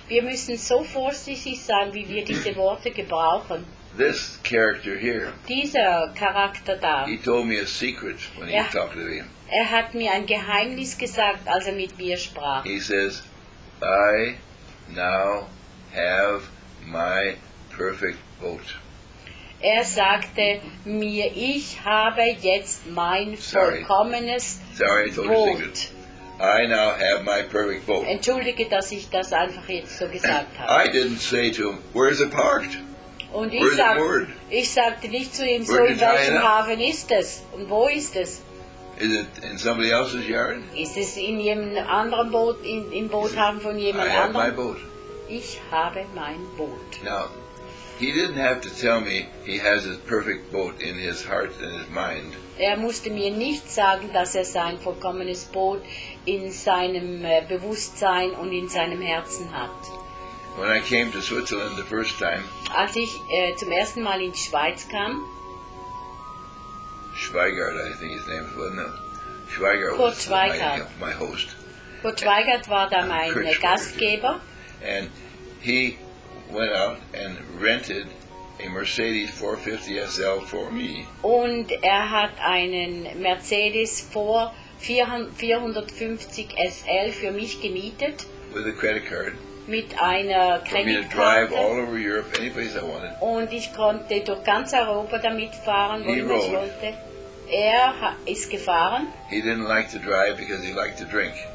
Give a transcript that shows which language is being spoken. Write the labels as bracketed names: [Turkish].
[German] Wir müssen so vorsichtig sein, wie wir diese Worte gebrauchen. [English] This character here. [German] Dieser Charakter da. [English] He told me a secret when he talked to me. [German] Er hat mir ein Geheimnis gesagt, als er mit mir sprach. [English] He says, I now have my perfect boat. [German] Er sagte mir, ich habe jetzt mein vollkommenes Boot. [English] I now have my perfect boat. [German] Entschuldige, dass ich das einfach jetzt so gesagt habe. [English] I didn't say to him, where is it parked? [German] Und ich sagte nicht zu ihm, so in welchem Hafen ist es und wo ist es? [English] Is it in somebody else's yard? [German] Ist es in jemandem anderen Boot, im Boothafen von jemand anderem? [English] I have my boat. [German] Ich habe mein Boot. [English] Now, he didn't have to tell me he has his perfect boat in his heart and his mind. [German] Er musste mir nicht sagen, dass er sein vollkommenes Boot in seinem Bewusstsein und in seinem Herzen hat. [English] When I came to Switzerland the first time, [German] als ich zum ersten Mal in die Schweiz kam, [English] Schweigart, I think his name was, no, Schweigart Kurt was Schweigart. My host. [German] Kurt Schweigart war da mein Gastgeber. [English] And he went out and rented a Mercedes 450 SL for me. [German] Und hat einen Mercedes 450 SL für mich gemietet. [English] With a credit card. [German] Mit einer Kreditkarte. [English] For me to drive all over Europe, any place I wanted. [German] Und ich konnte durch ganz Europa damit fahren, wo ich wollte. Ist gefahren. [English] He didn't like to drive because he liked to drink.